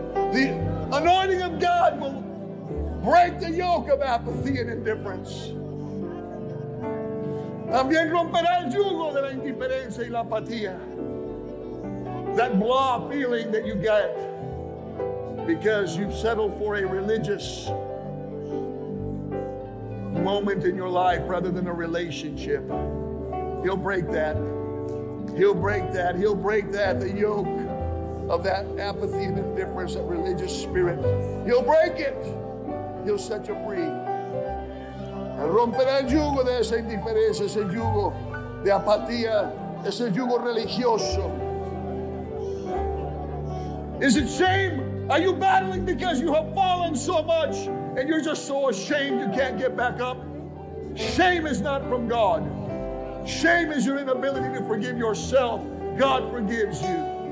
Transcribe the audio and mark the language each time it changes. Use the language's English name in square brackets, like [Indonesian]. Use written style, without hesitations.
[English] The anointing of God will break the yoke of apathy and indifference. [Spanish] También romperá el yugo de la indiferencia y la apatía. [English] That blah feeling that you get because you've settled for a religious moment in your life rather than a relationship. He'll break that. He'll break that. He'll break that, the yoke of that apathy and indifference, that religious spirit. He'll break it. He'll set you free. [Spanish] Romperá el yugo de esa indiferencia, ese yugo de apatía, ese yugo religioso. [English] Is it shame? Are you battling because you have fallen so much and you're just so ashamed you can't get back up? Shame is not from God. Shame is your inability to forgive yourself. God forgives you.